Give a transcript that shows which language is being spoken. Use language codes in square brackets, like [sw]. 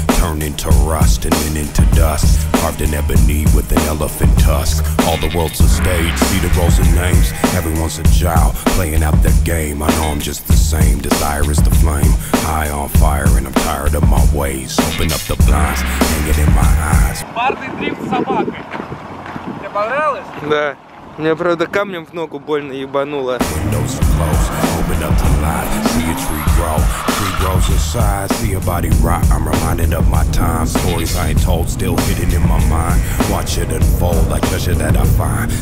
[en] Turned into rust and then into dust. Carved in ebony with an elephant tusk. All the world's a stage, see the roles and names. Everyone's a child, playing out the game. I know I'm just the same, desire is the flame. High on fire and I'm tired of my ways. Open up the blinds, hang it in my eyes. [ru] Барный дрифт с собакой. Тебе понравилось? Да. Мне, правда, камнем в ногу больно ебануло. [en] Windows are closed, open up the light. See a tree grow. Tree grows in size, see a body rot. I'm reminded of my time. Stories I ain't told, still hidden in my mind. Watch it unfold like treasure that I find.